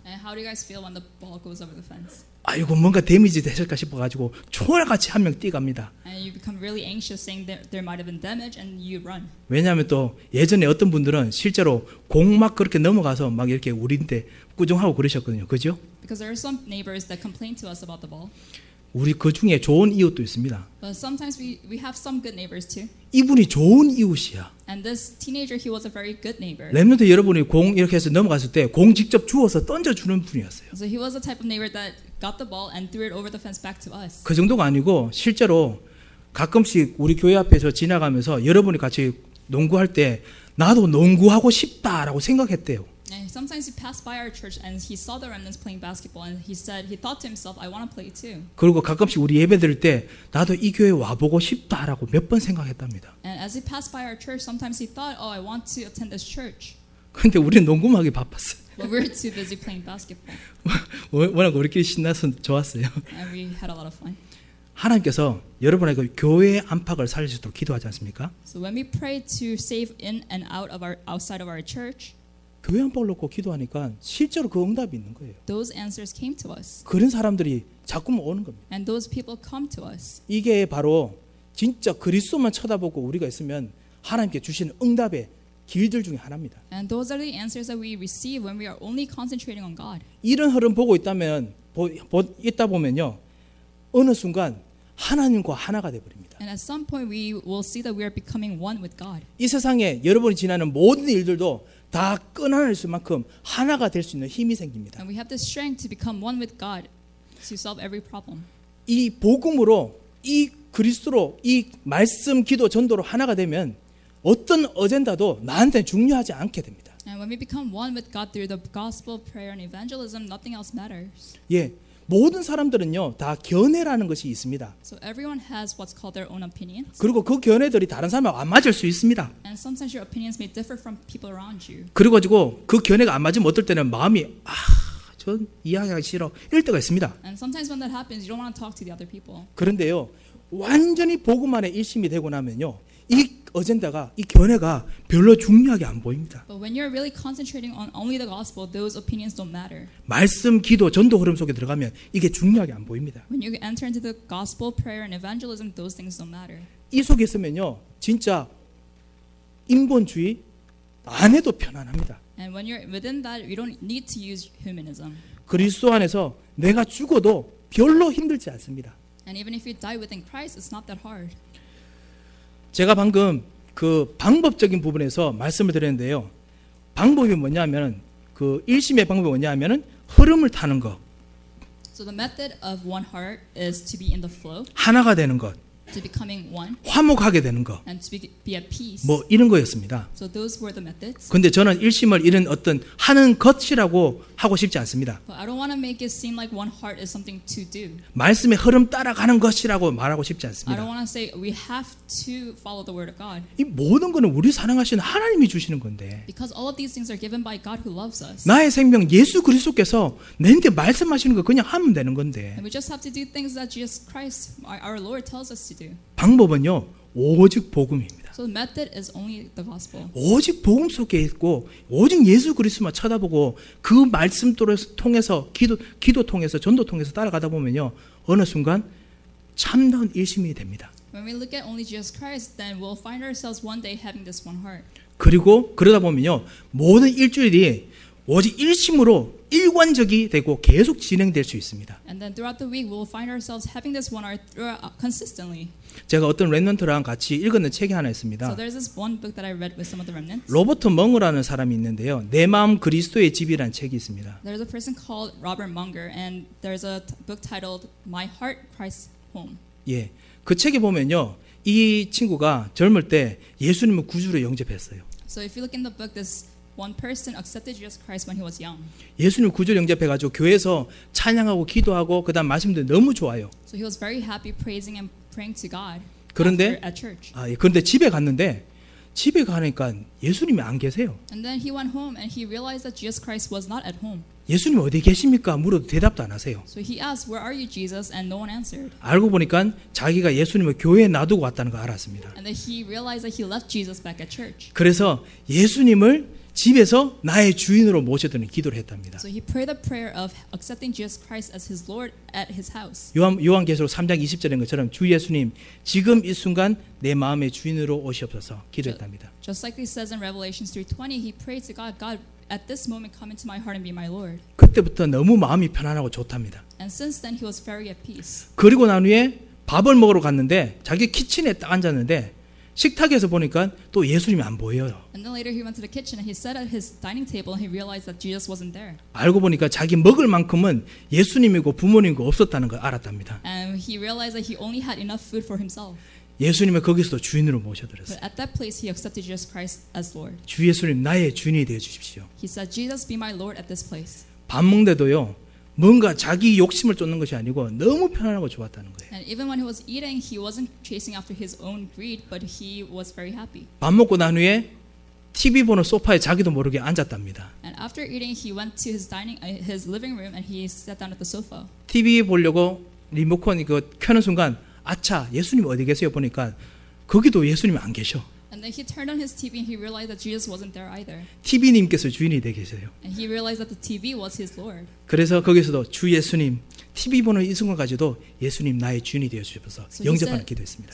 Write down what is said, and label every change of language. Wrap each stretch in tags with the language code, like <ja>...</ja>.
<en>And how do you guys feel when the ball goes over the fence?</en> <ko>아이고 뭔가 데미지 되실까 싶어 가지고 초월같이 한 명 뛰갑니다.</ko> <en>And you become really anxious saying that there might have been damage and you run.</en> <ko>왜냐면 또 예전에 어떤 분들은 실제로 공 막 그렇게 넘어가서 막 이렇게 우리한테 꾸중하고 그러셨거든요. 그죠?</ko> <en>Because there are some neighbors that complain to us about the ball.</en> <ko>우리 그 중에 좋은 이웃도 있습니다.</ko> <en>But sometimes we have some good neighbors too.</en> <ko>이분이 좋은 이웃이야.</ko> <en>And this teenager, he was a very good neighbor.</en> <ko>렘넌트 여러분이 공 이렇게 해서 넘어갔을 때 공 직접 주워서 던져 주는 분이었어요.</ko> <en>So he was the type of neighbor that got the ball and threw it over the fence back to us.</en> <ko>그 정도가 아니고 실제로 가끔씩 우리 교회 앞에서 지나가면서 여러분이 같이 농구할 때 나도 농구하고 싶다라고 생각했대요.</ko> <en>Sometimes he passed by our church and he saw the remnants playing basketball and he said he thought to himself, "I want to play too."</en> <ko>그리고 가끔씩 우리 예배 들을 때 나도 이 교회 와보고 싶다라고 몇 번 생각했답니다.</ko> <en>And as he passed by our church, sometimes he thought, "Oh, I want to attend this church."</en> <ko>근데 우리는 농구만 하기 바빴어요.</ko> <en>Well, we're too busy playing basketball.</en> <ko>워낙 우리끼리 신나서 좋았어요.</ko> <en>And we had a lot of fun.</en> <ko>하나님께서 여러분에게 교회 안팎을 살리시도록 기도하지 않습니까?</ko> <en>So when we pray to save in and out of our outside of our church.</en> <ko>교회 안팎을 놓고 기도하니까 실제로 그 응답이 있는 거예요.</ko> <en>Those answers came to us.</en> <ko>그런 사람들이 자꾸 오는 겁니다.</ko> <en>And those people come to us.</en> <ko>이게 바로 진짜 그리스도만 쳐다보고 우리가 있으면 하나님께 주시는 응답의 길들 중에 하나입니다.</ko> <en>And those are the answers that we receive when we are only concentrating on God.</en> <ko>이런 흐름 보고 있다면 있다 보면요. 어느 순간 하나님과 하나가 돼 버립니다.</ko> <en>And at some point we will see that we are becoming one with God.</en> <ko>이 세상에 여러분이 지나는 모든 일들도 다 끊어낼 수만큼 하나가 될 수 있는 힘이 생깁니다.</ko> <en>And we have the strength to become one with God to solve every problem.</en> <ko>이 복음으로 이 그리스도로 이 말씀 기도 전도로 하나가 되면 어떤 어젠다도 나한테 중요하지 않게 됩니다.</ko> <en>And when we become one with God through the gospel, prayer and evangelism, nothing else matters.</en> <ko>예. 모든 사람들은요 다 견해라는 것이 있습니다.</ko> <en>So everyone has what's called their own opinions.</en> <ko>그리고 그 견해들이 다른 사람하고 안 맞을 수 있습니다.</ko> <en>And sometimes your opinions may differ from people around you.</en> <ko>그리고 그 견해가 안 맞으면 어떨 때는 마음이 아, 전 이해하기 싫어 이럴 때가 있습니다.</ko> <en>And sometimes when that happens, you don't want to talk to the other people.</en> <ko>그런데요 완전히 복음 안에 일심이 되고 나면요 이 어젠다가 이 견해가 별로 중요하게 안 보입니다.</ko> <en>But when you're really concentrating on only the gospel, those opinions don't matter.</en> <ko>말씀, 기도, 전도 흐름 속에 들어가면 이게 중요하게 안 보입니다.</ko> <en>When you enter into the gospel, prayer, and evangelism, those things don't matter.</en> <ko>이 속에 있으면요, 진짜 인본주의 안에도 편안합니다.</ko> <en>And when you're within that, you don't need to use humanism.</en> <ko>그리스도 안에서 내가 죽어도 별로 힘들지 않습니다.</ko> <en>And even if you die within Christ, it's not that hard.</en> <ko>제가 방금 그 방법적인 부분에서 말씀을 드렸는데요. 방법이 뭐냐면 그 일심의 방법이 뭐냐면은 흐름을 타는 것.</ko> <en>So the method of one heart is to be in the flow.</en> <ko>하나가 되는 것.</ko> <en>To becoming one.</en> <ko>화목하게 되는 것.</ko> <en>And to be at peace.</en> <ko>뭐 이런 거였습니다.</ko> <en>So those were the methods.</en> <ko>근데 저는 일심을 이런 어떤 하는 것이라고 하고 싶지 않습니다.</ko> <en>But I don't want to make it seem like one heart is something to do.</en> <ko>말씀의 흐름 따라가는 것이라고 말하고 싶지 않습니다.</ko> <en>I don't want to say we have to follow the word of God.</en> <ko>이 모든 거는 우리 사랑하신 하나님이 주시는 건데.</ko> <en>Because all of these things are given by God who loves us.</en> <ko>나의 생명 예수 그리스도께서 내한테 말씀하시는 거 그냥 하면 되는 건데.</ko> <en>And we just have to do things that Jesus Christ, our Lord, tells us to do.</en> <ko>방법은요 오직 복음입니다.</ko> <en>So the method is only the gospel.</en> <ko>오직 복음 속에 있고 오직 예수 그리스도만 쳐다보고 그 말씀 통해서 기도 통해서 전도 통해서 따라가다 보면요 어느 순간 참다운 일심이 됩니다.</ko> <en>When we look at only Jesus Christ, then we'll find ourselves one day having this one heart.</en> <ko>그리고 그러다 보면요 모든 일주일이 오직 일심으로 일관적이 되고 계속 진행될 수 있습니다.</ko> <en>And then throughout the week, we'll find ourselves having this one heart consistently.</en> <ko>제가 어떤 렘넌트랑 같이 읽었는 책이 하나 있습니다.</ko> <en>So there's this one book that I read with some of the remnants.</en> <ko>로버트 멍어라는 사람이 있는데요. 내 마음 그리스도의 집이라는 책이 있습니다.</ko> <en>There's a person called Robert Munger, and there's a book titled My Heart, Christ's Home.</en> <ko>예, 그 책에 보면요, 이 친구가 젊을 때 예수님을 구주로 영접했어요.</ko> <en>So if you look in the book, this one person accepted Jesus Christ when he was young.</en> <ko>예수님 구주로 영접해 가지고 교회에서 찬양하고 기도하고 그다음 말씀도 너무 좋아요.</ko> <en>So he was very happy praising and praying to God.</en> <ko>그런데</ko> <en>after, at church.</en> <ko>아, 예. 그런데 집에 갔는데 집에 가니까 예수님이 안 계세요.</ko> <en>And then he went home and he realized that Jesus Christ was not at home.</en> <ko>예수님 어디 계십니까? 물어도 대답도 안 하세요.</ko> <en>So he asked, "Where are you, Jesus?" and no one answered.</en> <ko>알고 보니까 자기가 예수님을 교회에 놔두고 왔다는 걸 알았습니다.</ko> <en>And then he realized that he left Jesus back at church.</en> <ko>그래서 예수님을 집에서 나의 주인으로 모셔드는 기도를 했답니다.</ko> <en>So he prayed the prayer of accepting Jesus Christ as his Lord at his house.</en> <ko>요한계시록 3장 20절인 것처럼 주 예수님 지금 이 순간 내 마음의 주인으로 오시옵소서 기도했답니다.</ko> <en>Just like he says in Revelation 3:20, he prayed to God, God, at this moment come into my heart and be my Lord.</en> <ko>그때부터 너무 마음이 편안하고 좋답니다.</ko> <en>And since then he was very at peace.</en> <ko>그리고 난 후에 밥을 먹으러 갔는데 자기 키친에 딱 앉았는데 식탁에서 보니까 또 예수님이 안 보여요.</ko> <en>And then later he went to the kitchen and he sat at his dining table and he realized that Jesus wasn't there.</en> <ko>알고 보니까 자기 먹을 만큼은 예수님이고 부모님이고 없었다는 걸 알았답니다.</ko> <en>And he realized that he only had enough food for himself.</en> <ko>예수님을 거기서도 주인으로 모셔드렸어요.</ko> <en>But at that place he accepted Jesus Christ as Lord.</en> <ko>주 예수님 나의 주인이 되어 주십시오.</ko> <en>He said, "Jesus, be my Lord at this place."</en> <ko>밥 먹는데도요. 뭔가 자기 욕심을 쫓는 것이 아니고 너무 편안하고 좋았다는 거예요.</ko> <en>And even when he was eating, he wasn't chasing after his own greed, but he was very happy.</en> <ko>밥 먹고 난 후에 TV 보는 소파에 자기도 모르게 앉았답니다.</ko> <en>And after eating, he went to his dining, his living room, and he sat down at the sofa.</en> <ko>TV 보려고 리모컨 이거 켜는 순간, 아차, 예수님 어디 계세요? 보니까 거기도 예수님 안 계셔.</ko> <en>And then he turned on his TV, and he realized that Jesus wasn't there either.</en> <ko>TV님께서 주인이 되 계세요.</ko> <en>And he realized that the TV was his Lord.</en> <ko>그래서 거기서도 주 예수님, TV 보는 이 순간까지도 예수님 나의 주인이 되어 주셔서 영접하는 기도했습니다.</ko>